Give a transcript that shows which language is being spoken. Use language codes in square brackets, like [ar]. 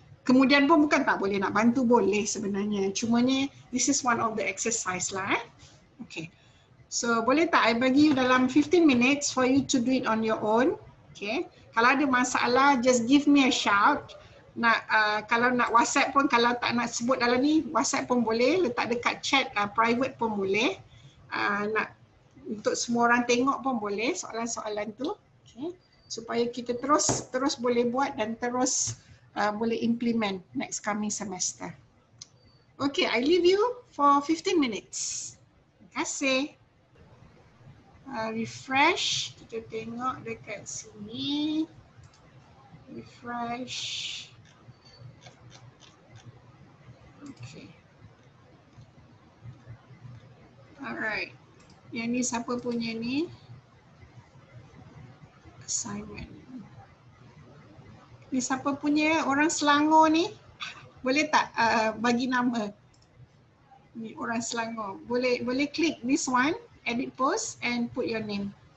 [ms] Kemudian pun bukan tak boleh nak bantu, boleh sebenarnya. Cuma ni, [en] this is one of the exercise lah. Eh. Okay. So [ms] boleh tak I bagi you dalam [en] 15 minutes for you to do it on your own. Okay. [ms] Kalau ada masalah, [en] just give me a shout. [ms] Nak kalau nak WhatsApp pun, kalau tak nak sebut dalam ni, WhatsApp pun boleh. Letak dekat chat, private pun boleh. Nak untuk semua orang tengok pun boleh soalan-soalan tu. Okay. Supaya kita terus boleh buat dan terus boleh implement [en] next coming semester. Okay, I leave you for 15 minutes. [ms] Terima kasih. Refresh, kita tengok dekat sini. Refresh. [en] Okay. Alright. [ms] Yang ni siapa punya ni? [en] Assignment. [ms] Ni siapa punya orang Selangor ni? Boleh tak bagi nama? Ni orang Selangor. Boleh klik [en] this one, edit post and put your name.